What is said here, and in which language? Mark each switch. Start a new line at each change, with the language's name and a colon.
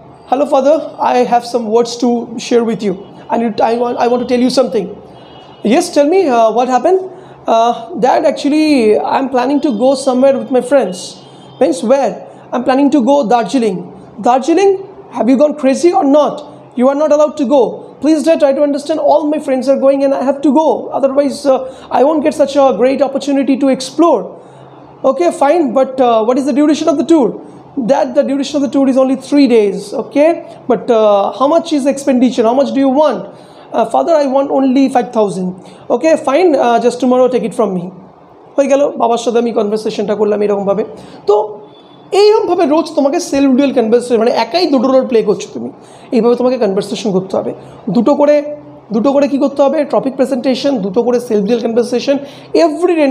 English: Hello father, I have some words to share with you, I want to tell you something. Yes, tell me, what happened? Dad, actually, I'm planning to go somewhere with my friends. Means where? I'm planning to go Darjeeling. Darjeeling? Have you gone crazy or not? You are not allowed to go. Please, Dad, try to understand, all my friends are going and I have to go. Otherwise, I won't get such a great opportunity to explore. Okay, fine, but what is the duration of the tour? That the duration of the tour is only 3 days, okay? But how much is the expenditure? How much do you want? Father, I want only 5,000. Okay, fine, just tomorrow take it from me.
Bangla: হয়ে গেল। বাবার সাথে আমি কনভারসেশনটা করলাম এরকমভাবে। তো এইরকমভাবে রোজ তোমাকে সেলফ ডুয়াল কনভারসেশন, মানে একাই দুটো রোল প্লে করছো তুমি, এইভাবে তোমাকে কনভারসেশন করতে হবে। দুটো করে কী করতে হবে, টপিক প্রেজেন্টেশন, দুটো করে self dual conversation every day.